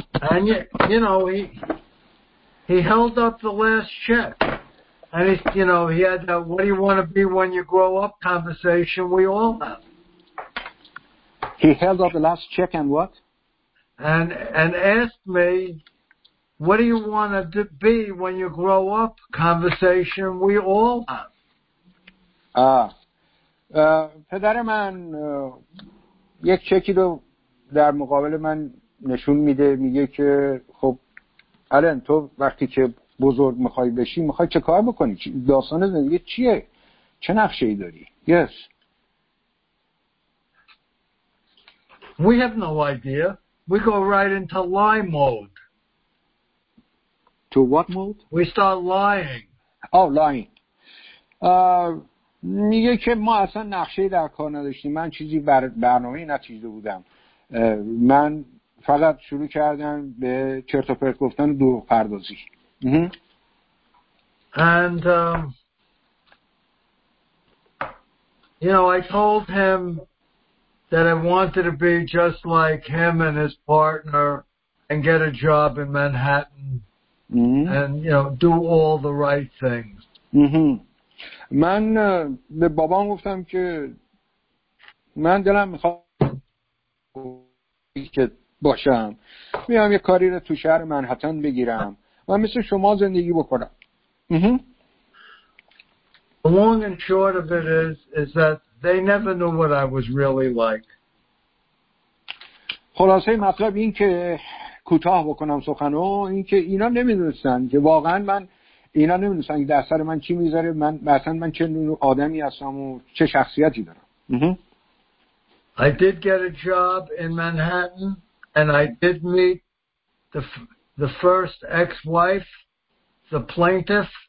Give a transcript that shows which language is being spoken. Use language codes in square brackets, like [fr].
[en] and you know he held up the last check and he, you know he had that what do you want to be when you grow up conversation we all have he held up the last check and what and asked me what do you want to be when you grow up conversation we all have [fa] پدر من یک چکی رو در مقابل من نشون میده، میگه که خب الان تو وقتی که بزرگ میخوای بشی میخوای چه کار بکنی، داستان زندگی چیه، چه نقشه ای داری؟ [en] Yes. We have no idea. We go right into lie mode. To what mode? We start lying. Oh, lying. [fa] میگه که ما اصلا نقشه ای در کار نداشتیم. من چیزی برنامه‌ای نچیده بودم. من فقط شروع کردم به چرت و پرت گفتن و دروغ پردازی. [en] And you know, I told him that I wanted to be just like him and his partner and get a job in Manhattan and, you know, do all the right things. [fa] من به بابام گفتم که من دلم میخواد که باشم، میام یه کاری رو تو شهر منهتن بگیرم و مثل شما زندگی بکنم. [en] The long and short of it is that they never knew what I was really like. [fa] خلاصه مطلب این که کوتاه بکنم سخنو، این که اینا نمیدونستن که واقعا من، اینا نمیدونستن که در سر من چی میذاره، من مثلا من چه نوع آدمی هستم و چه شخصیتی دارم. [en] I did get a job in Manhattan and I did meet the first ex-wife, the plaintiff.